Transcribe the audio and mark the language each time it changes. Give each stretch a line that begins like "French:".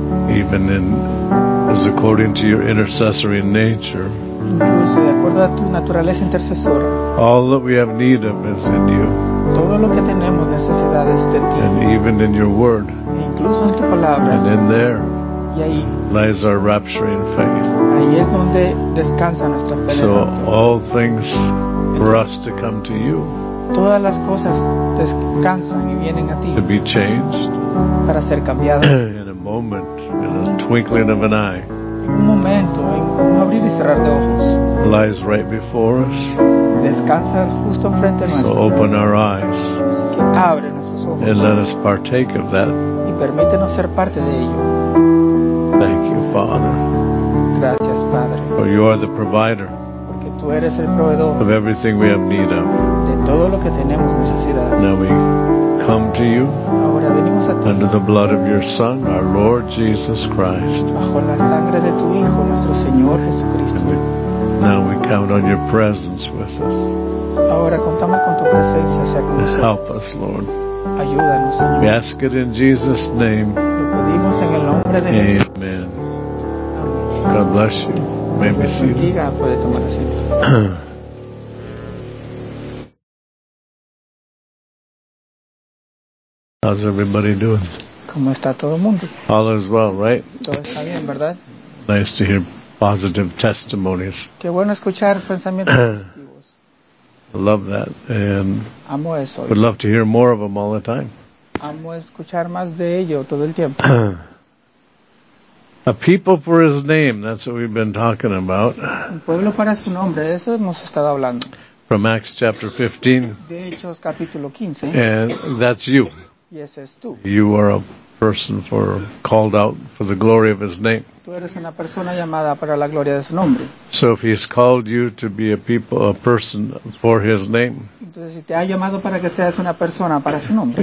English: Even in, as according to your intercessory nature.
Spanish: Incluso de acuerdo a tu naturaleza intercesora.
English: All that we have need of is in you.
Spanish: Todo lo que tenemos necesidad es de ti.
English: And even in your word.
Spanish: E incluso en tu palabra.
English: And in there.
Spanish: Y ahí.
English: Lies our rapturing faith.
Spanish: Ahí es donde descansa nuestra fe.
English: So all things for us to come to you.
Spanish: Todas las cosas descansan y vienen a ti.
English: To be changed.
Spanish: Para ser cambiado.
English: In a moment, in a twinkling of an eye.
Spanish: En un momento, en un abrir y cerrar de ojos.
English: Lies right before us.
Spanish: Descansa justo enfrente nuestro.
English: So open our eyes.
Spanish: Así que abre nuestros ojos.
English: And let us partake of that.
Spanish: Y permítenos ser parte de ello.
English: Thank you, Father.
Spanish: Gracias, Padre.
English: For you are the provider.
Spanish: Porque tú eres el proveedor.
English: Of everything we have need of.
Spanish: De todo lo que tenemos necesidad.
English: Now we come to you.
Spanish: Ahora venimos a ti.
English: Under the blood of your Son, our Lord Jesus Christ.
Spanish: Bajo la sangre de tu Hijo, nuestro Señor Jesucristo.
English: We, now we count on your presence with us.
Spanish: Ahora contamos con tu presencia, sea con nosotros.
English: Help us, Lord.
Spanish: Ayúdanos, Señor.
English: We ask it in Jesus' name.
Spanish: Lo pedimos en el nombre de Jesús.
English: God bless you. May be seated. How's everybody doing?
Spanish: ¿Cómo está todo el mundo?
English: All is well, right?
Spanish: Todo está bien, ¿verdad?
English: Nice to hear positive testimonies.
Spanish: Qué bueno escuchar pensamientos positivos.
English: I love that. And
Spanish: amo eso.
English: Would love to hear more of them all the time.
Spanish: Amo escuchar más de ello todo el tiempo.
English: A people for his name, that's what we've been talking about.
Spanish: Un pueblo para su nombre, eso hemos estado hablando.
English: From Acts chapter 15.
Spanish: De Hechos capítulo 15.
English: And that's you.
Spanish: Y ese es tú.
English: You are a person for called out for the glory of his name.
Spanish: Tú eres una persona llamada para la gloria de su nombre.
English: So if he's called you to be a people, a person for his name.
Spanish: Entonces si te ha llamado para que seas una persona para su nombre.